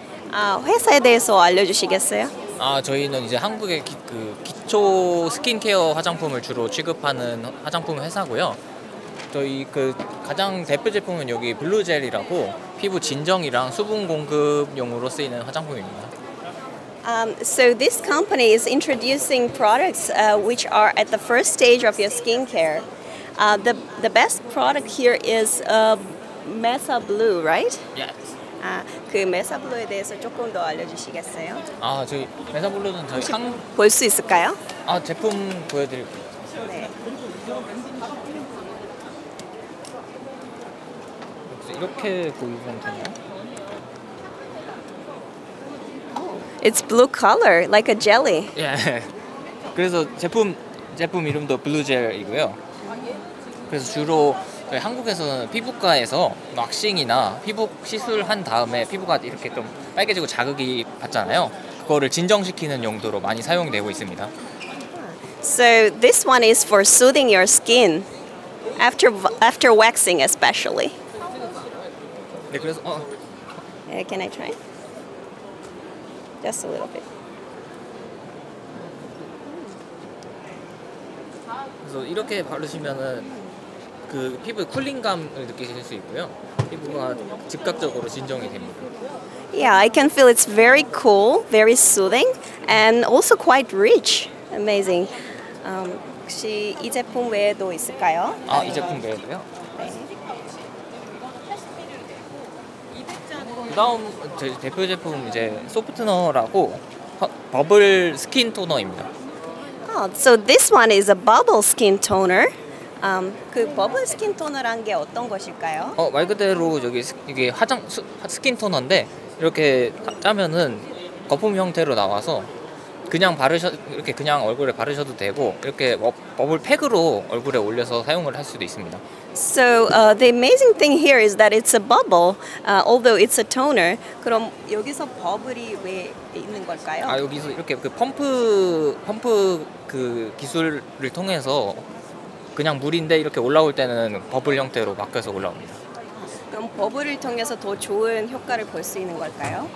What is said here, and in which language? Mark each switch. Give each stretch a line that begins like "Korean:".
Korean: 아, 회사에 대해서 알려주시겠어요? 아, 저희는 이제 한국의 그 기초 스킨케어 화장품을 주로 취급하는 화장품 회사고요. 저희 그 가장 대표 제품은 여기 블루젤이라고 피부 진정이랑 수분 공급용으로 쓰이는 화장품입니다.
English: So this company is introducing products which are at the first stage of your skincare. The best product here is Mesa Blue, right? Yes.
Korean: 아, 그 메사 블루에 대해서 조금 더 알려주시겠어요? 아, 저희 메사 블루는 저희 한 볼 수 있을까요? 아, 제품 보여드릴게요. 네. 혹시 이렇게 보이면 되나요?
English: It's blue color, like a jelly. Yeah.
Korean: 그래서 제품 이름도 블루젤이고요. 그래서 주로 저희 한국에서는 피부과에서 왁싱이나 피부 시술 한 다음에 피부가 이렇게 좀 빨개지고 자극이 받잖아요. 그거를 진정시키는 용도로 많이 사용되고 있습니다.
English: So this one is for soothing your skin after waxing especially.
Korean: 네, 그래서
English: Yeah, can I try? Just a little bit.
Korean: 그래서 이렇게 바르시면은 그 피부 쿨링감을 느끼실 수 있고요. 피부가 즉각적으로 진정이 됩니다.
English: Yeah, I can feel it's very cool, very soothing, and also quite rich. Amazing.
Korean: 혹시 이 제품 외에도 있을까요? 아, 이 제품 외에도요? 다음 대표 제품 이제 소프트너라고 버블 스킨 토너입니다.
English: Oh, so this one is a bubble skin toner.
Korean: 그 버블 스킨 토너란 게 어떤 것일까요? 말 그대로 여기 이게 화장 스킨 토너인데 이렇게 짜면은 거품 형태로 나와서 그냥 이렇게 그냥 얼굴에 바르셔도 되고 이렇게 버블 팩으로 얼굴에 올려서 사용을 할 수도 있습니다.
English: So the amazing thing here is that it's a bubble, although it's a toner.
Korean: 그럼 여기서 버블이 왜 있는 걸까요? 아, 여기서 이렇게 그 펌프 그 기술을 통해서 그냥 물인데 이렇게 올라올 때는 버블 형태로 바뀌어서 올라옵니다. 그럼 버블을 통해서 더 좋은 효과를 볼 수 있는 걸까요?